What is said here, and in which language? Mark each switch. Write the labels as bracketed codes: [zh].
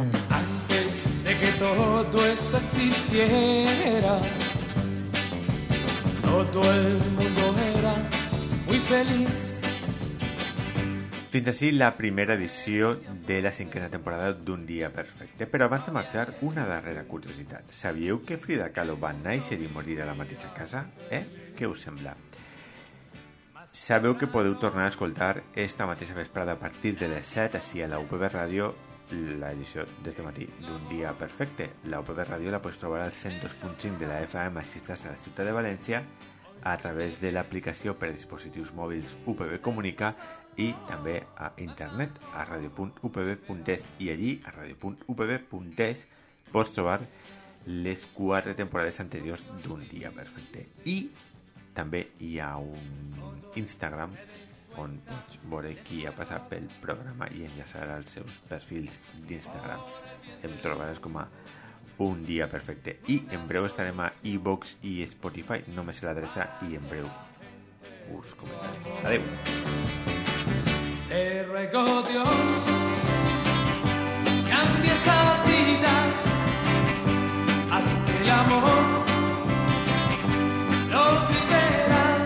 [es] Antes de que todo esto existiera, todo el mundo era muy feliz. [ca] Fins així la primera edició de la cinquena temporada d'Un dia perfecte. Però abans de marxar, una darrera curiositat. Sabíeu que Frida Kahlo va néixer i morir a la mateixa casa? Eh? Què us sembla? Sabeu que podeu tornar a escoltar esta mateixa vesprada a partir de les 7 així a la UPB Ràdio la edició d'este matí d'Un dia perfecte. La UPB Ràdio la pots trobar al 102.5 de la FM si estàs a la ciutat de València a través de l'aplicació per a dispositius mòbils UPB Comunica i també a internet, a radio.upb.es, i allí, a radio.upb.es, pots trobar les quatre temporades anteriors d'Un dia perfecte. I també hi ha un Instagram on pots veure qui ha passat pel programa i enllaçar els seus perfils d'Instagram. Em trobaràs com a Un dia perfecte. I en breu estarem a iVoox i Spotify, només l'adreça, i en breu us comentaré. Adéu. [es] Te ruego, Dios, cambia esta vida, haz que el amor lo libera.